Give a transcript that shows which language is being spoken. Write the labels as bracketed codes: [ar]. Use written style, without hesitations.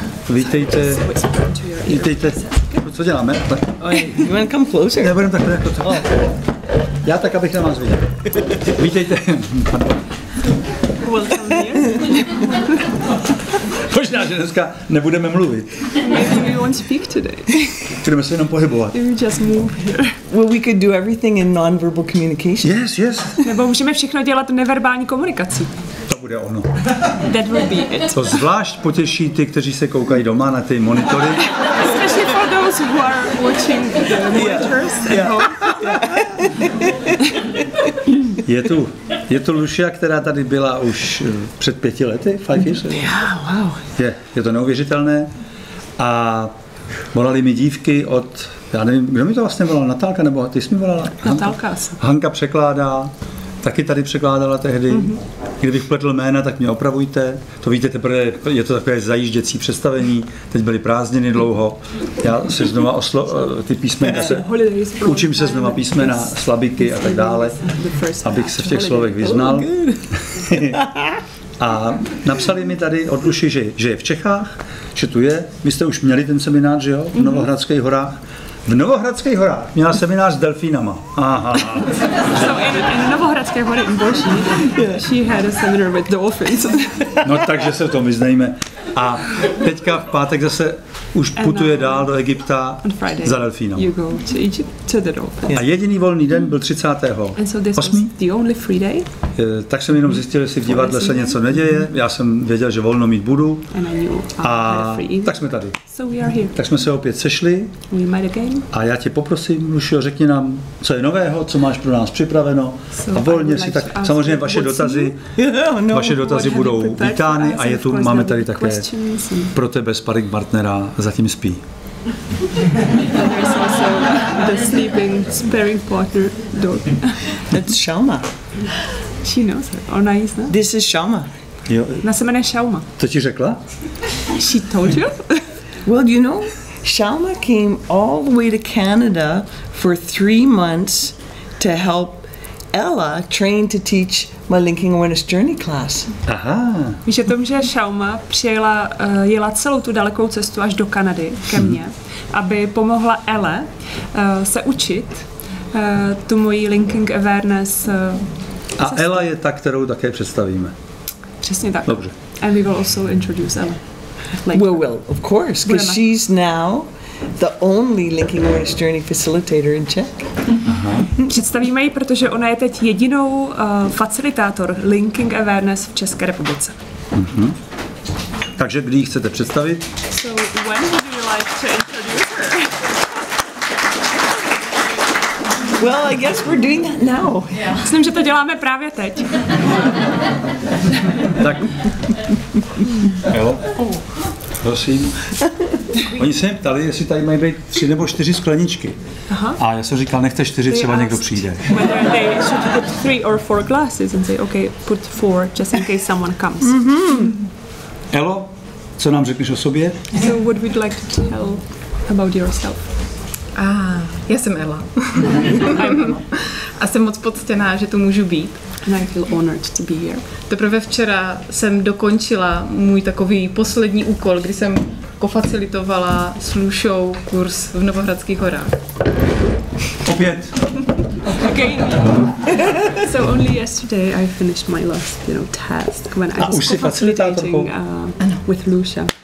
[cs] Vítejte. Vítejte. Co děláme? [en] You want to come closer? [cs] Já budem takhle jako to. Já tak, abych na vás viděl. Vítejte. Možná, že dneska nebudeme mluvit. [en] Maybe we won't speak today. [cs] Budeme se jenom pohybovat. [en] Maybe just move here. Well, we could do everything in non-verbal communication. Yes, yes. [cs] Nebo můžeme všechno dělat neverbální komunikaci. To bude ono. [en] That will be it. [cs] To zvlášť potěší ty, kteří se koukají doma na ty monitory. [en] Especially for those who are watching the monitors at home. [cs] Je tu Lucia, která tady byla už před 5 lety, [en] 5 years. Yeah, wow. [cs] Je to neuvěřitelné. A volali mi dívky od, já nevím, kdo mi to vlastně volal, Natálka, nebo ty jsi mi volala? Natálka. Hanka překládá, taky tady překládala tehdy. Mm-hmm. Kdybych pletl jména, tak mě opravujte. To víte, teprve je to takové zajížděcí představení, teď byly prázdniny dlouho. Já se znova ty písmena, učím se znova písmena, slabiky a tak dále, abych se v těch slovech vyznal. A napsali mi tady od Luši, že je v Čechách, že tu je. Vy jste už měli ten seminář, že jo, v Novohradských horách. V Novohradských horách měla seminář s delfínama. Aha. [en] So in Novohradské hory in Boží, she had a seminar with dolphins. [cs] No takže se to my znajme. A teďka v pátek zase už putuje dál do Egypta za delfínama. [en] You go to Egypt to the dolphins. [cs] A jediný volný den byl 30. 8. [en] The only free day. [cs] Tak jsem jenom zjistil, jestli v divadle se něco neděje. Já jsem věděl, že volno mít budu. A tak jsme tady. [en] So we are here. [cs] Tak jsme se opět sešli. [en] We met again. [cs] A já tě poprosím, Lucio, řekni nám, co je nového, co máš pro nás připraveno. So a volně si tak, samozřejmě vaše dotazy budou vítány. A je tu, máme tady také pro tebe sparring partnera, zatím spí. [en] The sleeping sparring partner dog. That's Shalma. She knows her. [cs] Ona ji zná. [en] This is Shalma. [cs] Jo. Na se jmenuje Shalma. To ti řekla? [en] She told you? Well, you know, Shalma came all the way to Canada for 3 months to help Ella train to teach my Linking Awareness Journey class. [cs] Aha. Víš o tom, že Shalma přijela, jela celou tu dalekou cestu až do Kanady ke mně, aby pomohla Ella se učit tu moji Linking Awareness A cestu. Ella je ta, kterou také představíme. Přesně tak. Dobře. [en] And we will also introduce Ella. Later. Well, of course, because she's now the only Linking Awareness Journey facilitator in Czech. Uh-huh. [cs] Představíme ji, protože ona je teď jedinou facilitátor Linking Awareness v České republice. Uh-huh. Takže kdy ji chcete představit? [en] So when would you like to introduce her? Well, I guess we're doing that now. Yeah. [cs] Myslím, že to děláme právě teď. Tak. Jo. Prosím. Oni se mě ptali, jestli tady mají být 3 nebo 4 skleničky. Aha. A já jsem říkal, nechte 4, [en] they [cs] třeba někdo přijde. [en] Whether they should put 3 or 4 glasses and say, okay, put 4 just in case someone comes. Mm-hmm. [cs] Elo, co nám řekneš o sobě? [en] So what would you like to tell about yourself? [cs] Já jsem Ella. A jsem moc poctěná, že tu můžu být. [en] And I feel honored to be here. [cs] Teprve včera jsem dokončila můj takový poslední úkol, kdy jsem kofacilitovala s Lušou kurz v Novohradských horách. Opět. [en] Again. So only yesterday I finished my last, you know, task when I was facilitating with Luša.